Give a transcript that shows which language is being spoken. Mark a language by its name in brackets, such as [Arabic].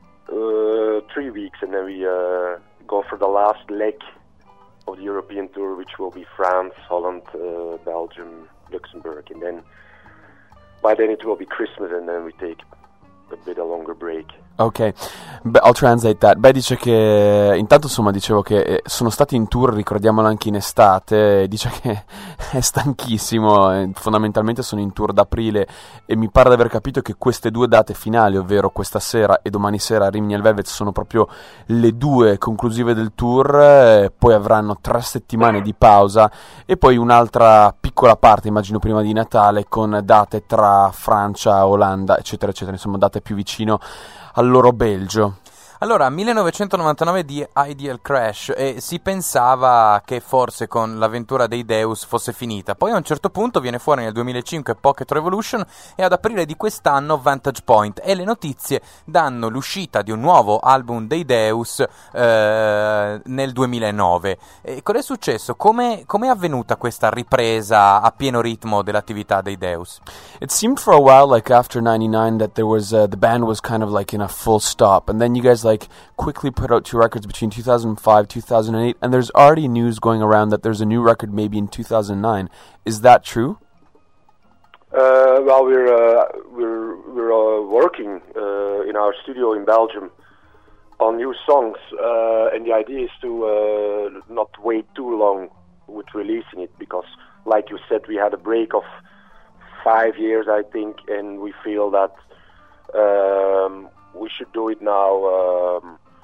[English] 3 weeks, and then we go for the last leg of the European tour, which will be France, Holland, Belgium, Luxembourg, and then... By then it will be Christmas, and then we take a bit of longer break. Ok, I'll translate that. [Italian] Beh, dice che, intanto insomma, dicevo che sono stati in tour, ricordiamolo, anche in estate. Dice che è stanchissimo, fondamentalmente sono in tour d'aprile, e mi pare di aver capito che queste due date finali, ovvero questa sera e domani sera a Rimini al Velvet, sono proprio le due conclusive del tour. Poi avranno 3 settimane di pausa e poi un'altra piccola parte, immagino prima di Natale, con date tra Francia, Olanda, eccetera eccetera, insomma date più vicino al loro Belgio. Allora, 1999 di Ideal Crash, e si pensava che forse con l'avventura dei Deus fosse finita. Poi a un certo punto viene fuori nel 2005 Pocket Revolution, e ad aprile di quest'anno Vantage Point, e le notizie danno l'uscita di un nuovo album dei Deus nel 2009. E cos'è successo? Come è avvenuta questa ripresa a pieno ritmo dell'attività dei Deus? [English] It seemed for a while like after 99 that there was the band was kind of like in a full stop, and then you guys like quickly put out 2 records between 2005 2008, and there's already news going around that there's a new record maybe in 2009. Is that true? Well, we're working in our studio in Belgium on new songs, and the idea is to not wait too long with releasing it, because like you said, we had a break of 5 years, I think, and we feel that we should do it now,